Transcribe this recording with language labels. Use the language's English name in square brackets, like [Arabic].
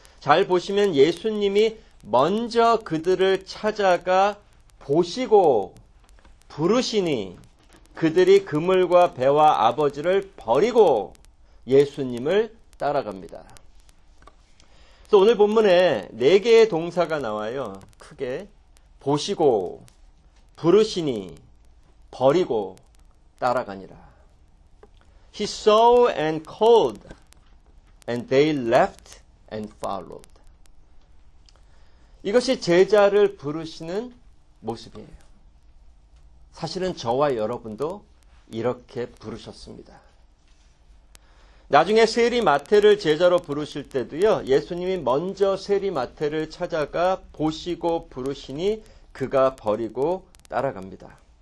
[Korean] 잘 보시면 예수님이 먼저 그들을 찾아가 보시고 부르시니 그들이 그물과 배와 아버지를 버리고 예수님을 따라갑니다. 그래서 오늘 본문에 네 개의 동사가 나와요. 크게 보시고 부르시니 버리고 따라가니라. [English] He saw and called and they left and followed. [Korean] 이것이 제자를 부르시는 모습이에요. 사실은 저와 여러분도 이렇게 부르셨습니다. 나중에 세리마태를 제자로 부르실 때도요, 예수님이 먼저 세리마태를 찾아가 보시고 부르시니 그가 버리고 따라갑니다.